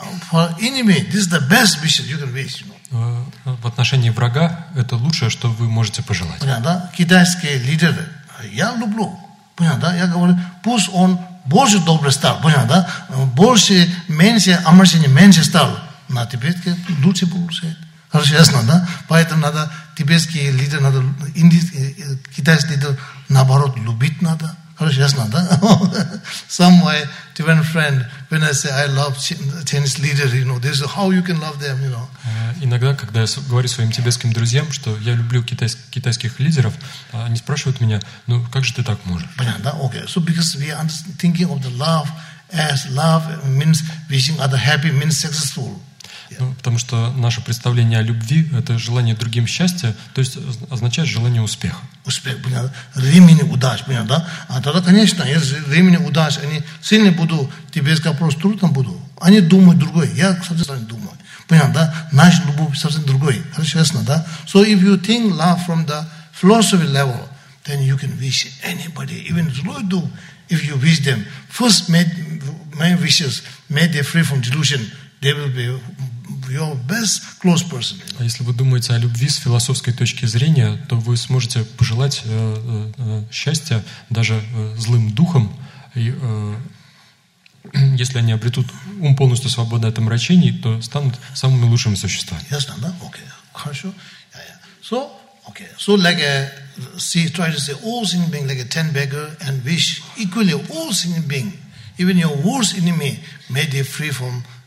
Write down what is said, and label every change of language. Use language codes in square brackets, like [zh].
[en] For enemy, this is the best wish you can wish. You know? [ru] В отношении врага это лучшее, что вы можете пожелать. Понял, да? Китайские лидеры, я люблю. Понял, да? Я говорю, пусть он больше добрый стал, понял, да? Больше, меньше, омрачение меньше стал. На тибетке лучше получает. Хорошо, ясно, да? Поэтому надо тибетские лидеры, надо китайские лидеры, наоборот, любить надо. Хорошо, ясно, да? [en] Some way, to my friend, when I say I love Chinese leader, you know, this is how you can love them, you know. [ru] Иногда, когда я говорю своим тибетским друзьям, что я люблю китайских лидеров, они спрашивают меня, ну, как же ты так можешь? Понятно, да? Okay. [en] So, because we are thinking of the love as love means wishing other happy, means successful. [ru] Ну, потому что наше представление о любви – это желание другим счастья, то есть означает желание успеха. Успех, понятно? Времени, удачи, понятно, да? А тогда, конечно, если времени, удачи, они сильно будут, тебе вопрос трудно будут, они думают другое, я совсем не думаю. Понятно, да? Наша любовь совсем другой, хорошо, ясно, да? [en] So if you think love from the philosophy level, then you can wish anybody, even [ru] злой дух, [en] if you wish them, first made wishes, made them free from delusion, they will be your best close person. [ru] А если вы думаете о любви с философской точки зрения, то вы сможете пожелать счастья даже злым духом, и если они обретут ум полностью свободный от омрачений, то станут самыми лучшими существами. Ясно, да? Окей, хорошо. So, okay. [en] So, like, see, try to say all sentient beings like a ten beggar and wish equally all sentient beings, even your worst enemy, may they free from